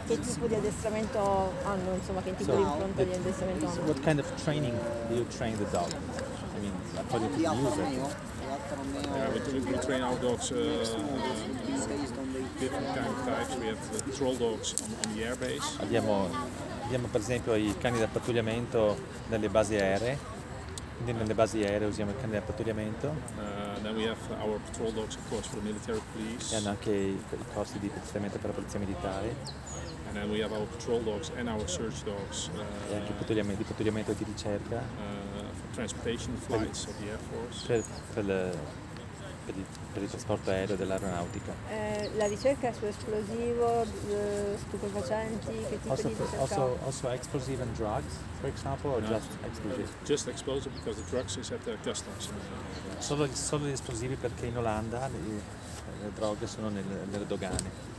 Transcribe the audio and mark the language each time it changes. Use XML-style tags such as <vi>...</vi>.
<it>Che tipo di addestramento hanno, insomma, che tipo di impronta di addestramento hanno?</it> <en>What kind of training do you train the dog? I mean, according to the user. We train our dogs different kind of types. We have patrol dogs on the airbase.</en> <it>Abbiamo per esempio i cani da pattugliamento nelle basi aeree. Quindi nelle basi aeree usiamo il cane da pattugliamento.</it> <en>Then we have our patrol dogs, of course, for the military police.</en> <it>E hanno anche i corsi di pattugliamento per la polizia militare.</it> <en>And then we have our patrol dogs and our search dogs.</en> <it>E anche di pattugliamento e di ricerca.</it> <en>For transportation flights of the Air Force.</en> <it>Per il trasporto aereo dell'aeronautica. La ricerca su esplosivo, stupefacenti, che tipo</it> <en>also</en> <it>di ricerca?</it> <en>Also explosive and drugs, for example, or no, just explosive? Just explosive because the drugs is at the customs.</en> <it>Solo gli esplosivi perché in Olanda le droghe sono nelle dogane.</it>